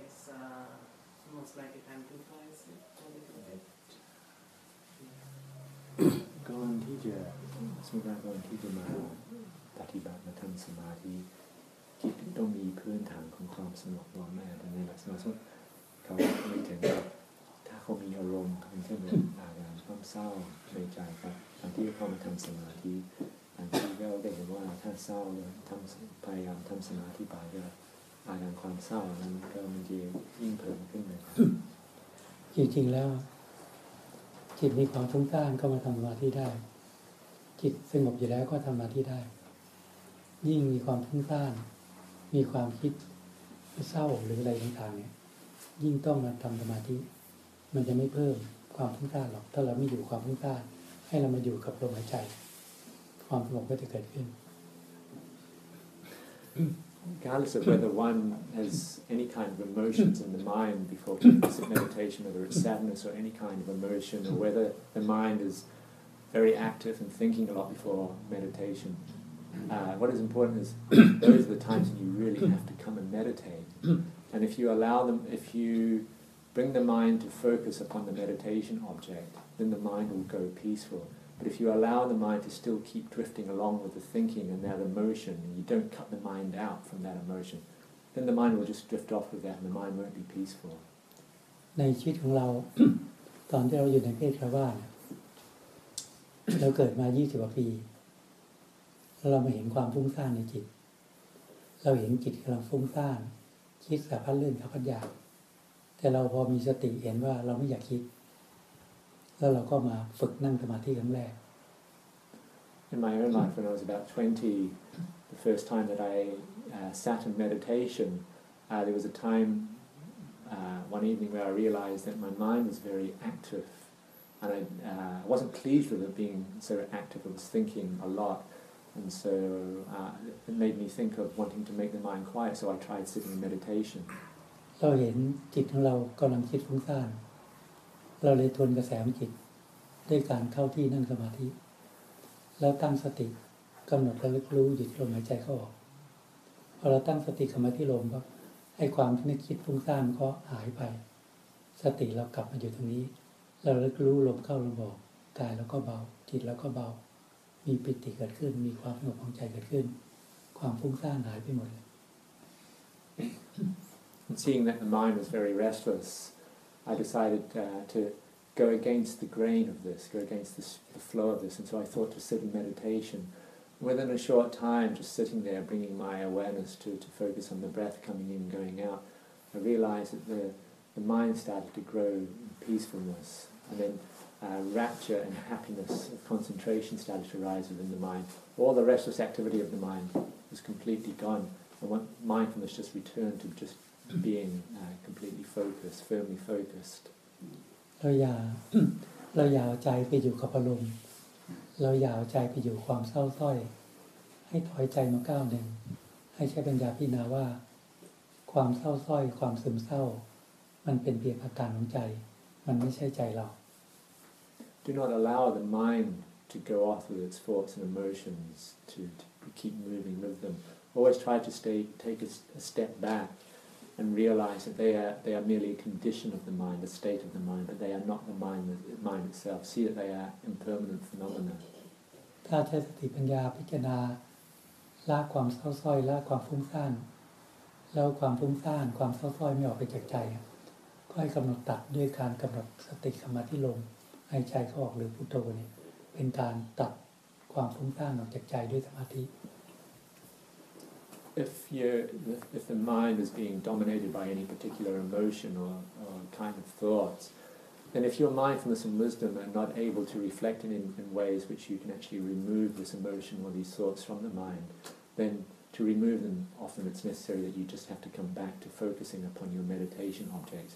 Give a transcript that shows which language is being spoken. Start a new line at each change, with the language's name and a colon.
English: It's almost like it amplifies it a little bit. Go on, teacher. Smita, go on, teacher. Ma, tati ba na tham samadhi. Keep it. Don't be pure and calm. Calm, smok, long, ma, and then let's not.
Thai: เขาไม่ถึงถ้าเขามีอารมณ์เช่นอาการความเศร้าในใจครับตอนที่เขามาทำสมาธิบางทีก็ได้เห็นว่าถ้าเศร้าทำพยายามทำสมาธิไปก็อาการความเศร้านั้นก็มันจะยิ่งเพิ่มขึ้นเลย จริงๆแล้วจิตมีความฟุ้งซ่านก็มาทำสมาธิได้จิตสงบอยู่แล้วก็ทำสมาธิได้ยิ่งมีความฟุ้งซ่านมีความคิดเศร้าหรืออะไรต่างๆเนี่ยยิ่งต้องมาทำสมาธิมันจะไม่เพิ่มความฟุ้งซ่านหรอกถ้าเราไม่อยู่ความฟุ้งซ่านให้เรามาอยู่กับลมหายใจความสงบก็จะเกิดขึ้น
English: Regardless of whether one has any kind of emotions in the mind before practicing meditation, whether it's sadness or any kind of emotion, or whether the mind is very active and thinking a lot before meditation, what is important is those are the times when you really have to come and meditate. And if you allow them, if you bring the mind to focus upon the meditation object, then the mind will go peaceful. But if you allow the mind to still keep drifting along with the thinking and that emotion, and you don't cut the mind out from that emotion, then the mind will just drift off with that, and the mind won't be peaceful.
Thai: ในชีวิตของเราตอนที่เราอยู่ในเพศคารวาสเราเกิดมา20กว่าปีเรามาเห็นความฟุ้งซ่านในจิตเราเห็นจิตกำลังฟุ้งซ่านคิดสารพัดเรื่องสารพัดอย่างแต่เราพอมีสติเห็นว่าเราไม่อยากคิดแล้วเราก็มาฝึกนั่งสมาธิครั้งแรก
English: In my own life, when I was about 20, the first time that I sat in meditation, there was a time one evening where I realized that my mind was very active, and I wasn't pleased with it being so active. I was thinking a lot. And so it made me think of wanting to make the mind quiet, so I tried sitting in meditation.
Thai: เราเห็นจิตของเรากำลังคิดฟุ้งซ่านเราเลยทวนกระแสจิตด้วยการเข้าที่นั่งสมาธิแล้วตั้งสติกำหนดระลึกรู้จิตลมหายใจเข้าออกพอเราตั้งสติกลับมาที่ลมครับไอ้ความที่นึกคิดฟุ้งซ่านก็หายไปสติเรากลับมาอยู่ตรงนี้เราระลึกรู้ลมเข้าลมออกกายเราก็เบาจิตเราก็เบามีปิติเกิดขึ้นมีความสงบของใจเกิดขึ้นความฟุ้งซ่านหายไปหมดเลย
English: Seeing that the mind was very restless, I decided to go against the grain of this, go against the flow of this, and so I thought to sit in meditation. Within a short time, just sitting there, bringing my awareness to focus on the breath coming in and going out, I realized that the mind started to grow in peacefulness, and then. Rapture and happiness of concentration started to rise within the mind. All the restless activity of the mind was completely gone. I want mindfulness just return to just being completely focused, firmly focused.
Thai: เราอย่าเราอย่าใจไปอยู่กับอารมณ์เราอย่าใจไปอยู่ความเศร้าส้อยให้ถอยใจมาก้าวหนึ่งให้ใช้ปัญญาพิจารณาว่าความเศร้าส้อยความซึมเศร้ามันเป็นเพียงอาการของใจมันไม่ใช่ใจเรา
English: Do not allow the mind to go off with its thoughts and emotions to keep moving with them. Always try to take a step back and realize that they are merely a condition of the mind, a state of the mind, but they are not the mind itself. See that they are impermanent phenomena.
Thai: ถ้าใช้สติปัญญาพิจารณาละความเศร้าส้อยละความฟุ้งซ่านแล้วความฟุ้งซ่านความเศร้าส้อยไม่ออกไปจากใจก็ให้กำหนดตัดด้วยการกำหนดสติสมาธิลมหายใจเข้าออกหรือพุทโธเนี่ยเป็นการตัดความฟุ้งซ่านออกจากใจด้วยสมาธิ
English: If the mind is being dominated by any particular emotion or kind of thoughts, then if your mindfulness and wisdom are not able to reflect in ways which you can actually remove this emotion or these thoughts from the mind, then to remove them, often it's necessary that you just have to come back to focusing upon your meditation objects.